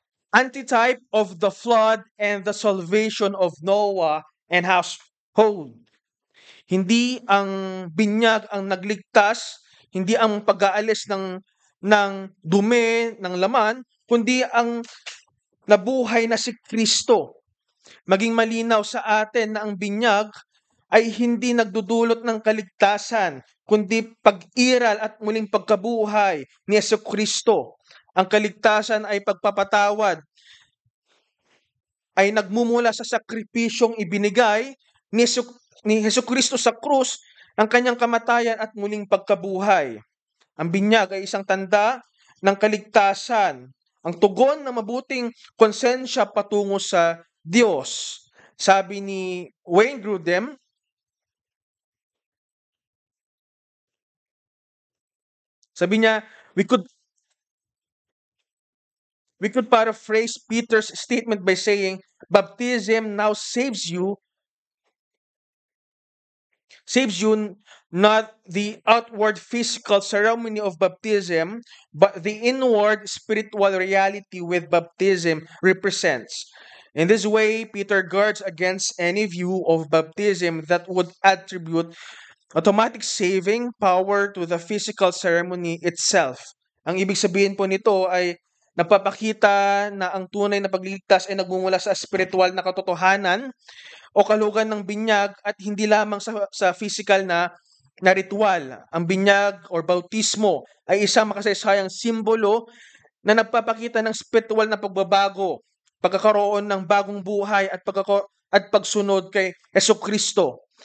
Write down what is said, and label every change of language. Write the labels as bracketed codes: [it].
[en] Antitype of the flood and the salvation of Noah and household. [tl] Hindi ang binyag ang nagligtas, hindi ang pag-aalis ng dumi, ng laman, kundi ang nabuhay na si Kristo. Maging malinaw sa atin na ang binyag ay hindi nagdudulot ng kaligtasan, kundi pag-iral at muling pagkabuhay ni Jesucristo. Ang kaligtasan ay pagpapatawad ay nagmumula sa sakripisyong ibinigay ni Jesucristo sa krus, ang kanyang kamatayan at muling pagkabuhay. Ang binyag ay isang tanda ng kaligtasan, ang tugon ng mabuting konsensya patungo sa Diyos. Sabi ni Wayne Grudem, sabi niya, [en] we could paraphrase Peter's statement by saying, baptism now saves you not the outward physical ceremony of baptism, but the inward spiritual reality with baptism represents. In this way, Peter guards against any view of baptism that would attribute automatic saving power to the physical ceremony itself. [tl] Ang ibig sabihin po nito ay napapakita na ang tunay na pagliligtas ay nagmumula sa spiritual na katotohanan o kalugan ng binyag at hindi lamang sa physical na ritual. Ang binyag o bautismo ay isang makasaysayang simbolo na nagpapakita ng spiritual na pagbabago, pagkakaroon ng bagong buhay at pagsunod kay Jesucristo.